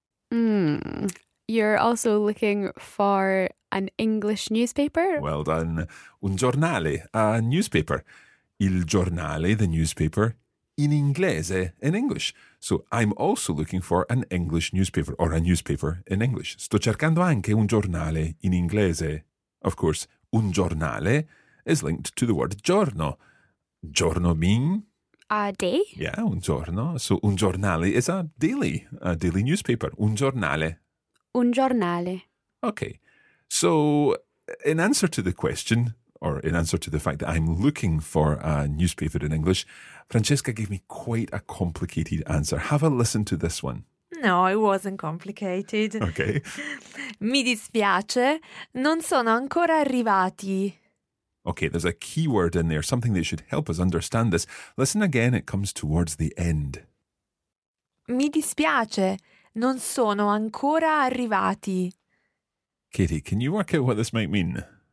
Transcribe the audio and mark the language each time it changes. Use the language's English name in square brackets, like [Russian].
[English] You're also looking for an English newspaper? Well done. [Italian] Un giornale, [English] a newspaper. [Italian] Il giornale, [English] the newspaper, [Italian] in inglese, [English] in English. So I'm also looking for an English newspaper, or a newspaper in English. [Italian] Sto cercando anche un giornale in inglese. [English] Of course, un giornale is linked to the word giorno. Giorno mean? A day? Yeah, [Italian] un giorno. [English] So un giornale is a daily newspaper. [Italian] Un giornale. Un giornale. [English] Okay. So, in answer to the question, or in answer to the fact that I'm looking for a newspaper in English, Francesca gave me quite a complicated answer. Have a listen to this one. No, it wasn't complicated. Okay. [Italian] Mi dispiace, non sono ancora arrivati. [English] Okay, there's a key word in there, something that should help us understand this. Listen again, it comes towards the end. [Italian] Mi dispiace, non sono ancora arrivati. [English] Katie, can you work out what this might mean?